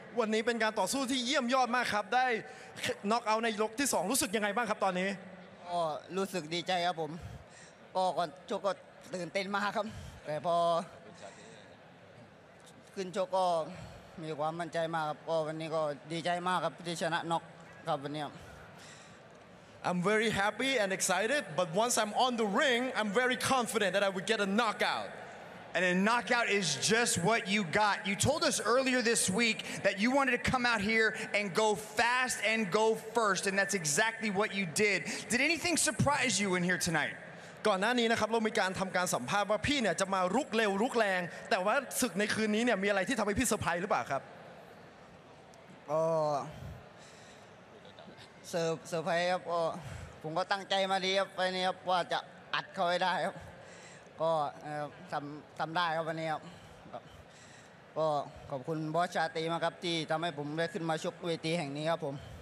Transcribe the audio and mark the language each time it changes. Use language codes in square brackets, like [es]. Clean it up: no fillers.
[th] วันนี้เป็นการต่อสู้ที่เยี่ยมยอดมากครับได้น็อกเอาท์ในยกที่2รู้สึกยังไงบ้างครับตอนนี้รู้สึกดีใจครับผมก่อนชกก็ตื่นเต้นมากครับแต่พอขึ้นชกก็มีความมั่นใจมากครับก็วันนี้ก็ดีใจมากครับที่ชนะน็อกครับวันนี้ [en] I'm very happy and excited, but once I'm on the ring, I'm very confident that I would get a knockout. And a knockout is just what you got. You told us earlier this week that you wanted to come out here and go fast and go first, and that's exactly what you did. Did anything surprise you in here tonight? [th] ก่อนหน้านี้นะครับเรามีการทำการสัมภาษณ์ว่าพี่เนี่ยจะมารุกเร็วรุกแรงแต่ว่าศึกในคืนนี้เนี่ยมีอะไรที่ทำให้พี่เซอร์ไพรส์หรือเปล่าครับ เซอร์ไพรส์ครับผมก็ตั้งใจมาดีครับไปนี้ครับว่าจะอัดเขาให้ได้ครับก็ทำได้ครับวันนี้ครับก็ขอบคุณบอสชาตรีมากครับที่ทำให้ผมได้ขึ้นมาชกเวทีแห่งนี้ครับผม